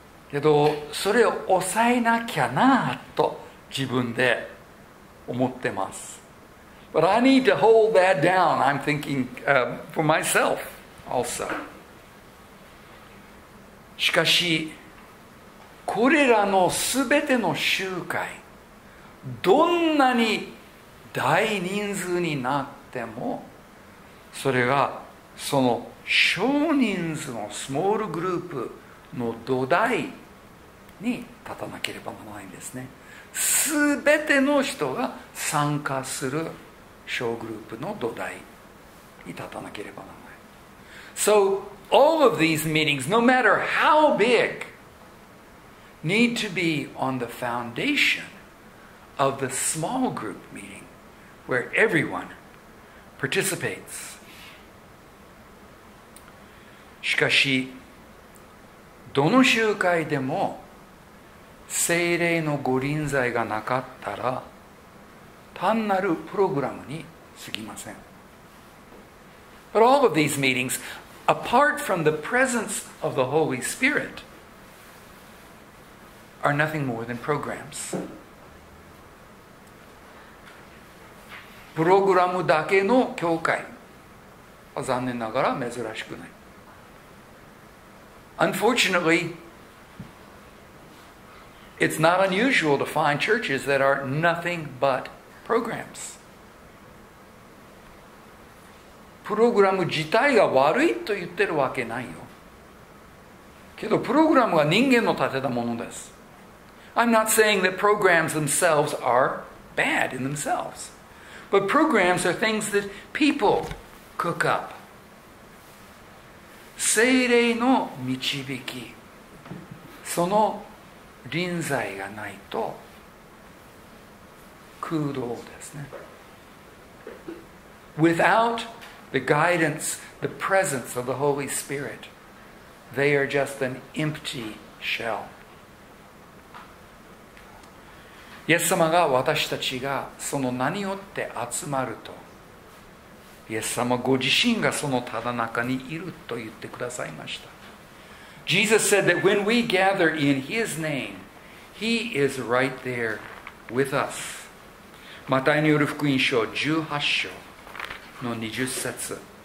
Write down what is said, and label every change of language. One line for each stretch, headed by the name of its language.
Japanese: けど、それを抑えなきゃなと自分で思ってます。
English: But I need to hold that down, I'm thinking, for myself also.
Japanese: しかし、これらのすべての集会、どんなに大人数になっても、それがその少人数のスモールグループの土台に立たなければならないんですね。すべての人が参加する小グループの土台に立たなければならない。
English: So all of these meetings, no matter how big, need to be on the foundation of the small group meeting where everyone participates.
Japanese: しかし、どの集会でも聖霊の御臨在がなかったら、単なるプログラムに過ぎません。
English: But all of these meetings, apart from the presence of the Holy Spirit, are nothing more than programs.
Japanese: プログラムだけの教会は残念ながら珍しくない。
English: Unfortunately, it's not unusual to find churches that are nothing but programs.
Japanese: プログラム自体が悪いと言ってるわけないよ。けどプログラムは人間の立てたものです。
English: I'm not saying that programs themselves are bad in themselves. But programs are things that people cook up.
Japanese: 聖霊の導き、その臨在がないと空洞ですね。
English: Without the guidance, the presence of the Holy Spirit, they are just an empty shell.
Japanese: イエス様が私たちがその名によって集まると、イエス様ご自身がそのただ中にいると言ってくださいました。
English: Jesus said that when we gather in His name, He is right there with us.
Japanese: マタイによる福音書18章の20節。